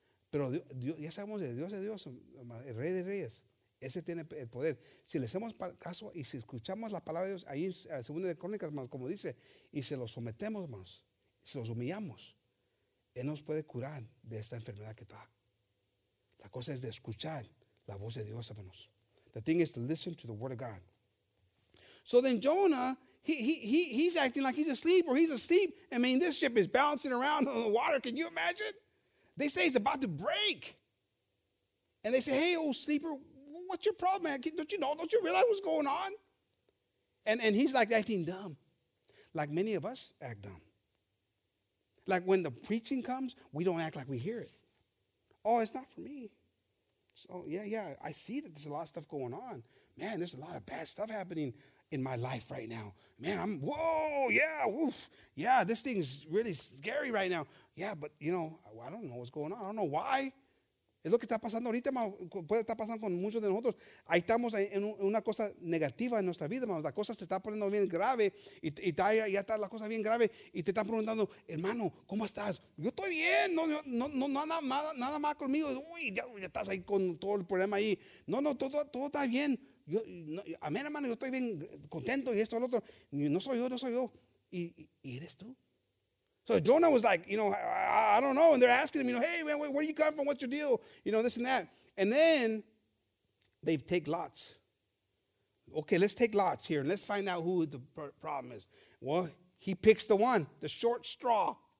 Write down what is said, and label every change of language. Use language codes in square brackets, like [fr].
[es] Pero Dios, ya sabemos, el Dios de Dios, el Rey de Reyes, ese tiene el poder. Si le hacemos caso y si escuchamos la palabra de Dios, ahí en Segunda de Crónicas, hermanos, como dice, y se los sometemos, hermanos, se los humillamos, Él nos puede curar de esta enfermedad que está. La cosa es de escuchar la voz de Dios, hermanos. [en] The thing is to listen to the word of God. So then Jonah, he's acting like he's asleep, or he's asleep. I mean, this ship is bouncing around on the water. Can you imagine? They say it's about to break. And they say, hey, old sleeper, what's your problem, man? Don't you know? Don't you realize what's going on? And he's like acting dumb, like many of us act dumb. Like when the preaching comes, we don't act like we hear it. Oh, it's not for me. So, yeah, I see that there's a lot of stuff going on. Man, there's a lot of bad stuff happening in my life right now. Man, I'm, this thing's really scary right now. Yeah, but, you know, I don't know what's going on. I don't know why. [es] Es lo que está pasando ahorita, puede estar pasando con muchos de nosotros. Ahí estamos en una cosa negativa en nuestra vida, hermano. La cosa se está poniendo bien grave y ya está la cosa bien grave y te están preguntando, hermano, ¿cómo estás? Yo estoy bien, no, nada más conmigo. Uy, ya estás ahí con todo el problema ahí. No, todo está bien. Amén, hermano, yo estoy bien contento y esto y lo otro. No soy yo. ¿Y eres tú? [en] So Jonah was like, you know, I don't know. And they're asking him, you know, hey, man, where do you come from? What's your deal? You know, this and that. And then they take lots. Okay, let's take lots here. And let's find out who the problem is. Well, he picks the one, the short straw.